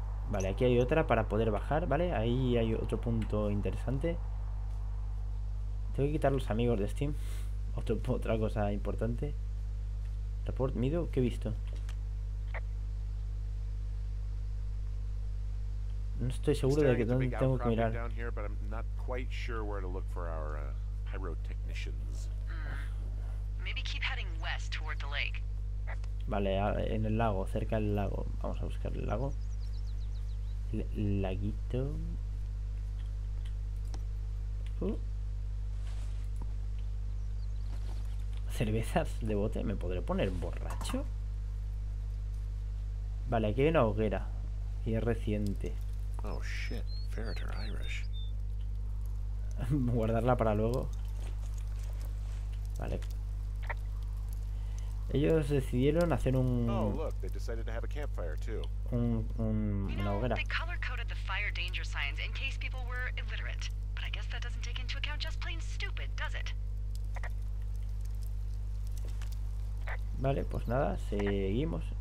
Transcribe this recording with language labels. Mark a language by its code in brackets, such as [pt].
[es] Vale, aquí hay otra para poder bajar, ¿vale? Ahí hay otro punto interesante. Tengo que quitar los amigos de Steam. Otra cosa importante. Report, Mido, ¿qué he visto? No estoy seguro de que dónde tengo que mirar. [en] Staring at the big outcropping down here, but I'm not quite sure where to look for our pyrotechnicians. Maybe Maybe keep heading west toward the lake. [es] Vale, en el lago, cerca del lago. Vamos a buscar el lago. Laguito. ¿Cervezas de bote? ¿Me podré poner borracho? Vale, aquí hay una hoguera. Y es reciente. [en] Oh, shit. Ferreter Irish. [es] Guardarla para luego. Vale. Ellos decidieron hacer un... [en] Oh, look, they decided to have a campfire too. [es] Una hoguera. [en] They color-coded the fire danger signs in case people were illiterate. But I guess that doesn't take into account just plain stupid, does it? [es] Vale, pues nada, seguimos.